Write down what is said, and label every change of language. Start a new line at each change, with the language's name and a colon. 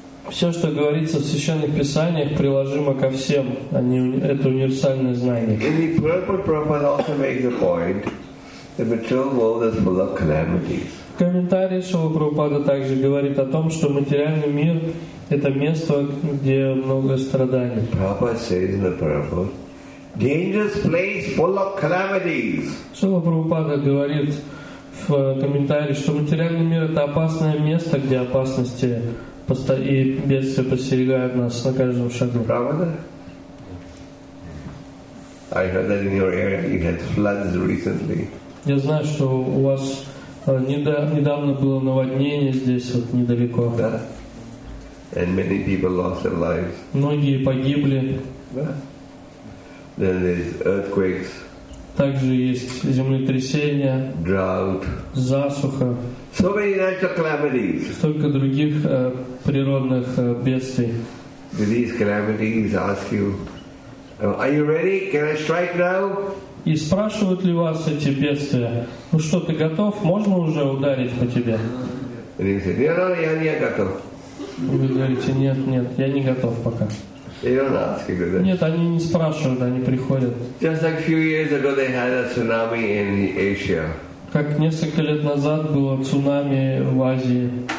Russian: Все, что говорится в священных писаниях, приложимо ко всем. Это универсальное знание.
English: In the purport, Prabhupada also makes the point that the material world is full of calamities.
Russian: В комментарии Шрилы Прабхупады также говорит о том, что материальный мир — это место, где много страданий.
English: Prabhupada says in the purport, dangerous place full of calamities.
Russian: Шрила Прабхупада говорит в комментарии, что материальный мир — это опасное место, где опасности и бедствия подстерегают нас на каждом шагу. Правда?
English: I heard that in your area you had floods recently.
Russian: Я знаю, что у вас недавно было наводнение здесь, вот недалеко. Да.
English: And many people lost their lives.
Russian: Многие погибли.
English: Then there's earthquakes.
Russian: Также есть землетрясения.
English: Drought.
Russian: Засуха.
English: So many natural calamities.
Russian: Столько других природных бедствий.
English: Do these calamities ask you, are you ready? Can I strike now?
Russian: И спрашивают ли вас эти бедствия, ну что, ты готов, можно уже ударить по тебе? Я не готов. Вы говорите, нет, нет, я не готов пока. Нет, они не спрашивают, они приходят. Как несколько лет назад было цунами в Азии.